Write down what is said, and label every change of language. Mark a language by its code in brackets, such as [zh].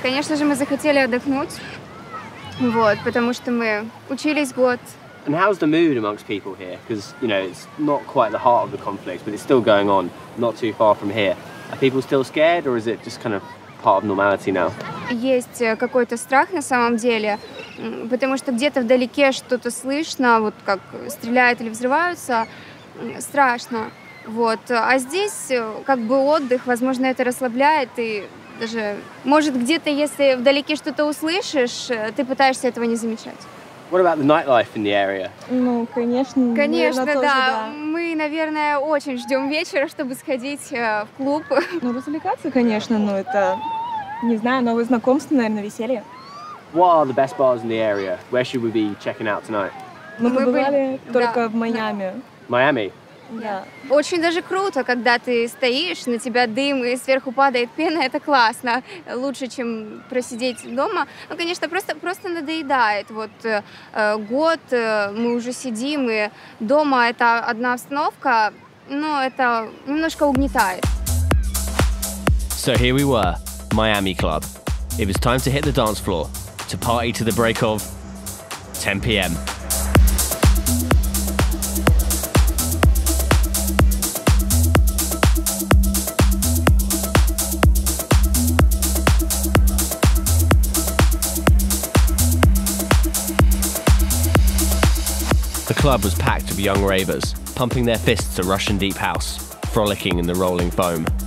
[ru] Конечно же, мы захотели отдохнуть. Вот, потому что мы учились год. [en] And how's the mood amongst people here? Because, you know, it's not quite the heart of the conflict, but it's still going on, not too far from here. Are people still scared, or is it just kind of part of normality now? [ru] Есть какой-то страх на самом деле, потому что где-то вдалеке что-то слышно, вот как стреляют или взрываются, страшно. Вот. А здесь как бы отдых, возможно, это расслабляет и даже, может, где-то, если вдалеке что-то услышишь, ты пытаешься этого не замечать. [en] What about the nightlife in the area? [ru] Ну, конечно. Конечно, тоже, да. Мы, наверное, очень ждем вечера, чтобы сходить в клуб. Ну, развлекаться, конечно, но это, не знаю, новые знакомства, наверное, веселье. [en] What are the best bars in the area? Where should we be checking out tonight? [ru] Мы побывали только в Майами. Майами? Да. Очень даже круто, когда ты стоишь, на тебя дым и сверху падает пена, это классно. Лучше, чем просидеть дома. Ну, конечно, просто надоедает. Вот год мы уже сидим, и дома это одна обстановка, но это немножко угнетает. [en] So here we were, Miami Club. It was time to hit the dance floor, to party to the break of 10 p.m. The club was packed with young ravers, pumping their fists to Russian deep house, frolicking in the rolling foam.